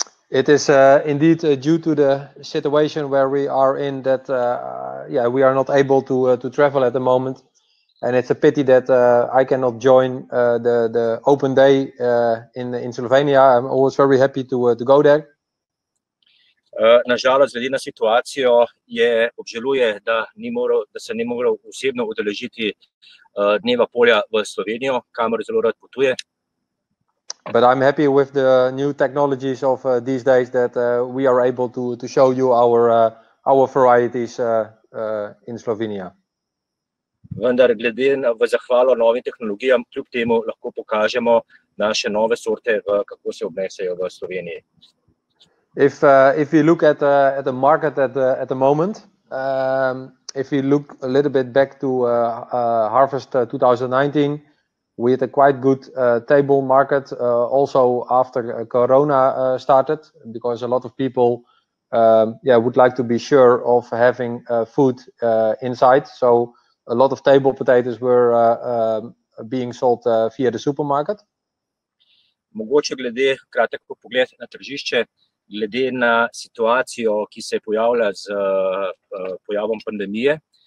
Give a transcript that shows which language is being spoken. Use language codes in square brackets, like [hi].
[en] It is indeed due to the situation where we are in that we are not able to travel at the moment, and it's a pity that I cannot join the open day in Slovenia. I'm always very happy to go there. [sl] Na žalost, glede na situacijo je obžaluje, da se ni moral osebno udeležiti dneva polja v Slovenijo, kamor zelo rad potuje. [en] But I'm happy with the new technologies of these days that we are able to show you our varieties in Slovenia. [sl] Vendar glede na v zahvalo novim tehnologijam, kljub temu lahko pokažemo naše nove sorte, kako se obnesejo v Sloveniji. [en] If we look at the market at the moment, if we look a little bit back to harvest 2019, we had a quite good table market also after Corona started, because a lot of people would like to be sure of having food inside. So a lot of table potatoes were being sold via the supermarket. [sl] Mogoče glede kratko pogled na tržišče, glede na situacijo, ki se pojavlja z pojavom pandemije.